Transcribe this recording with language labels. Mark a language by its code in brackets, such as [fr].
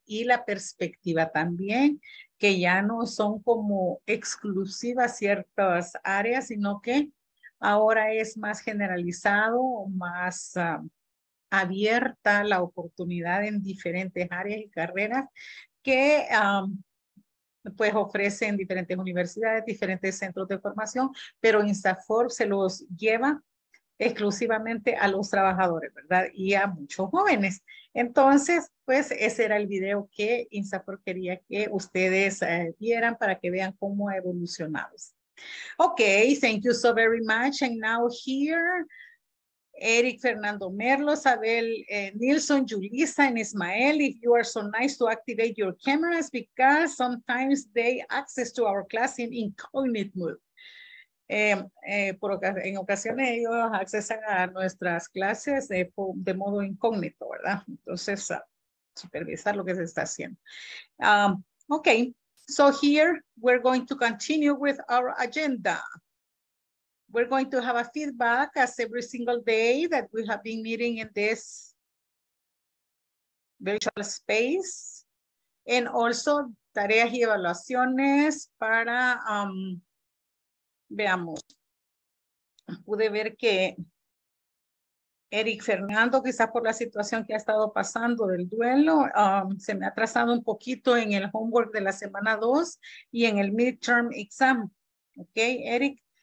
[es] Y la perspectiva también, que ya no son como exclusivas ciertas áreas, sino que ahora es más generalizado, más abierta la oportunidad en diferentes áreas y carreras que pues ofrecen diferentes universidades, diferentes centros de formación, pero INSAFORP se los lleva exclusivamente a los trabajadores, ¿verdad? Y a muchos jóvenes. Entonces, pues ese era el video que INSAFORP quería que ustedes vieran para que vean cómo ha evolucionado. [en] Okay, thank you so very much. And now here, Eric Fernando Merlo, Abel Nilsson, Julissa, and Ismael, if you are so nice to activate your cameras because sometimes they access to our class in incognito mode. [es] En ocasiones ellos accesan a nuestras clases de modo incógnito, ¿verdad? Entonces, supervisar lo que se está haciendo. [en] Okay, so here we're going to continue with our agenda. We're going to have a feedback as every single day that we have been meeting in this virtual space. And also [es] tareas y evaluaciones para, veamos, pude ver que Eric Fernando, quizás por la situación que ha estado pasando del duelo, se me ha atrasado un poquito en el homework de la semana 2 y en el midterm exam. Ok, Eric.